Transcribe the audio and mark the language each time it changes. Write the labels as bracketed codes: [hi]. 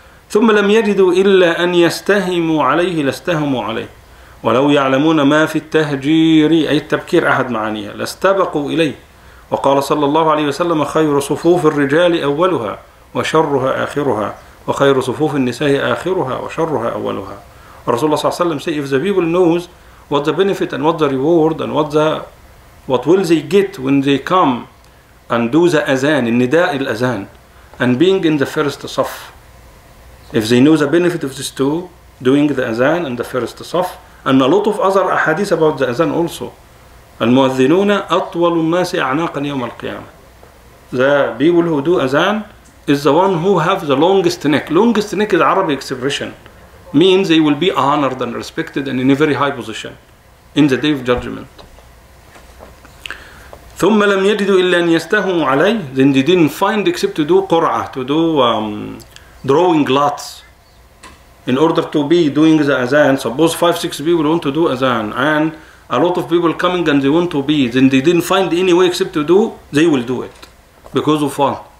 [ar] ثم لم يجدوا إلا أن يستهموا عليه لاستهموا عليه. ولو يعلمون ما في التهجير أي التبكير أحد معانيها لاستبقوا إليه. وقال صلى الله عليه وسلم خير صفوف الرجال أولها وشرها آخرها وخير صفوف النساء آخرها وشرها أولها. رسول الله صلى الله عليه وسلم [en] say if the people knows what the benefit and what the reward and what will they get when they come and do the azan, [ar] النداء الأذان, [en] and being in the first صف, if they know the benefit of these two, doing the azan and the first صف. And a lot of other ahadith about the azan also. [ar] المؤذنون أطول الناس أعناقا يوم القيامة. [en] The people who do azan is the one who have the longest neck. Longest neck is Arabic expression. Means they will be honored and respected and in a very high position in the day of judgment. [ar] ثم لم يجدوا إلا أن يستهموا علي. [en] Then they didn't find except to do قرعة, to do drawing lots. In order to be doing the azan, suppose 5-6 people want to do azan, and a lot of people coming and they want to be, then they didn't find any way except to do, they will do it. Because of what?